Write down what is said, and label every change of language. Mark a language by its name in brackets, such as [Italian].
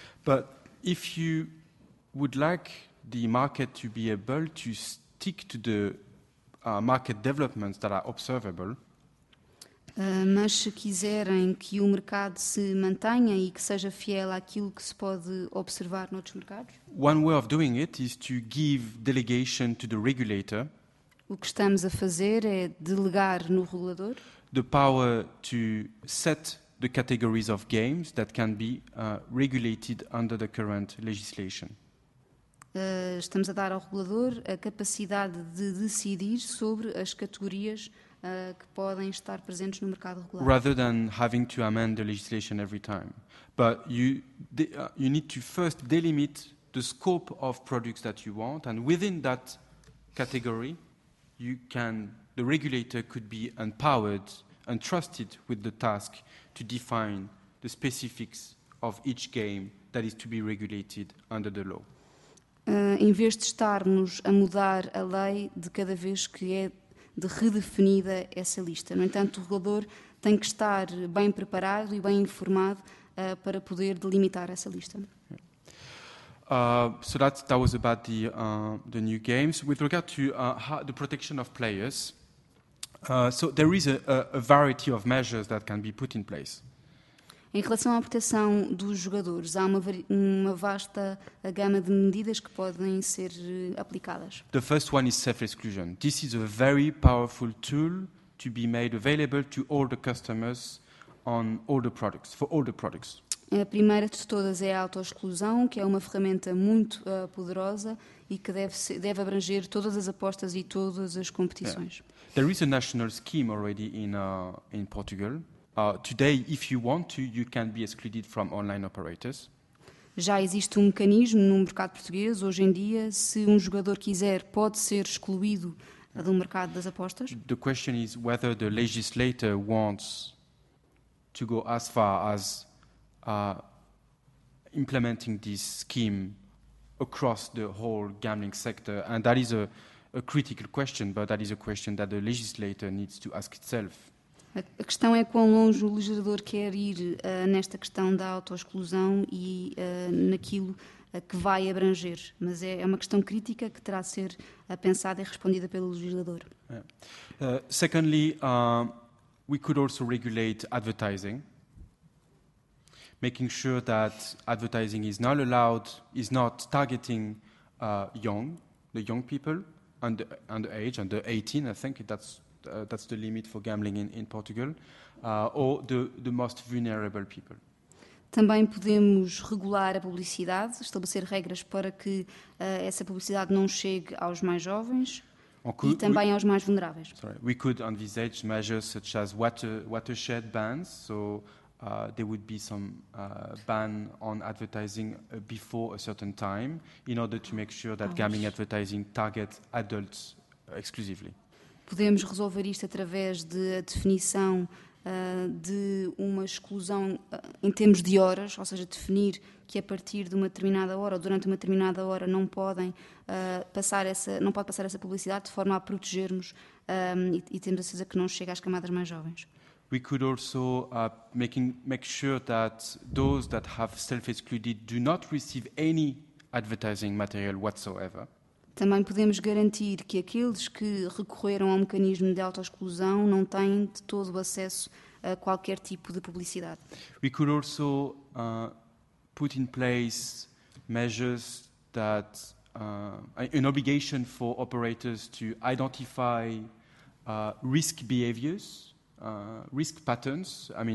[English] But if you would like the market to be able to stick to the market developments that are observable, [Portuguese] mas se quiserem que o mercado se mantenha e que seja fiel àquilo que se pode observar noutros mercados, [English] one way of doing it is to give delegation to the regulator. [Portuguese] O que estamos a fazer é delegar no regulador [English] the power to set the categories of games that can be regulated under the current legislation. [Portuguese] Estamos a dar ao regulador a capacidade de decidir sobre as categorias que podem estar presentes no mercado regulado. [English] Rather than having to amend the legislation every time. But you need to first delimit the scope of products that you want, and within that category the regulator could be empowered and trusted with the task to define the specifics of each game that is to be regulated under the law. [Portuguese] Em vez de estarmos a mudar a lei de cada vez que é de redefinida essa lista, no entanto, o regulador tem que estar bem preparado e bem informado para poder delimitar essa lista. [English] So that was about the new games. With regard to the protection of players, so there is a variety of measures that can be put in place. [Portuguese] Em relação à proteção dos jogadores, há uma vasta gama de medidas que podem ser aplicadas. [English] The first one is self-exclusion. This is a very powerful tool to be made available to all the customers on all the products, for all the products. [Portuguese] A primeira de todas é a autoexclusão, que é uma ferramenta muito poderosa e que deve abranger todas as apostas e todas as competições. [English] Yeah. There is a national scheme already in Portugal. Today, if you want to, you can be excluded from online operators. [Portuguese] Já existe um mecanismo no mercado português. Hoje em dia, se um jogador quiser, pode ser excluído do mercado das apostas. [English] The question is whether the legislator wants to go as far as implementing this scheme across the whole gambling sector, and that is a critical question, but that is a question that the legislator needs to ask itself. [Portuguese] A questão é quão longe o legislador quer ir nesta questão da autoexclusão e naquilo que vai abranger, mas é uma questão crítica que terá de ser pensada e respondida pelo legislador. [English] Secondly, we could also regulate advertising, making sure that advertising is not allowed, is not targeting the young people under age, under 18, I think that's the limit for gambling in Portugal, or the most vulnerable people. [Portuguese] Também podemos regular a publicidade, estabelecer regras para que essa publicidade não chegue aos mais jovens e também aos mais vulneráveis. [English] Sorry. We could envisage measures such as watershed bans, so there would be some ban on advertising before a certain time, in order to make sure that gambling advertising targets adults exclusively. [Portuguese] Podemos resolver isto através de a definição de uma exclusão em termos de horas, ou seja, definir que a partir de uma determinada hora ou durante uma determinada hora não podem não pode passar essa publicidade, de forma a protegermos e termos a certeza que não chega às camadas mais jovens. [English] We could also make sure that those that have self-excluded do not receive any advertising material whatsoever. [Portuguese] Também podemos garantir que aqueles que recorreram ao mecanismo de autoexclusão não têm de todo o acesso a qualquer tipo de publicidade. [English] We could also put in place measures that an obligation for operators to identify risk behaviors, risk patterns.